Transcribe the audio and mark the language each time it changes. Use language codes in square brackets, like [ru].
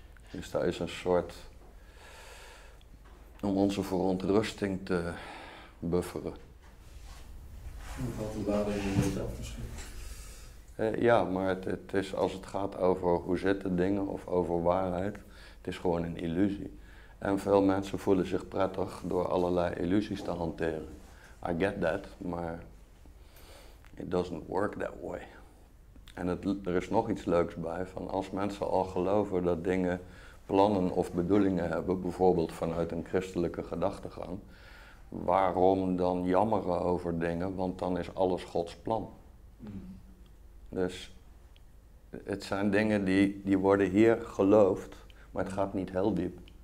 [nl] Dus daar is een soort, om onze verontrusting te bufferen. Ik had de waarde in de wereld misschien. Ja, maar het is als het gaat over hoe zitten dingen of over waarheid, het is gewoon een illusie. En veel mensen voelen zich prettig door allerlei illusies te hanteren. [en] I get that, [nl] maar [en] it doesn't work that way. [nl] En er is nog iets leuks bij, van als mensen al geloven dat dingen plannen of bedoelingen hebben, bijvoorbeeld vanuit een christelijke gedachtegang, waarom dan jammeren over dingen, want dan is alles Gods plan. Dus het zijn dingen die worden hier geloofd, maar het gaat niet heel diep.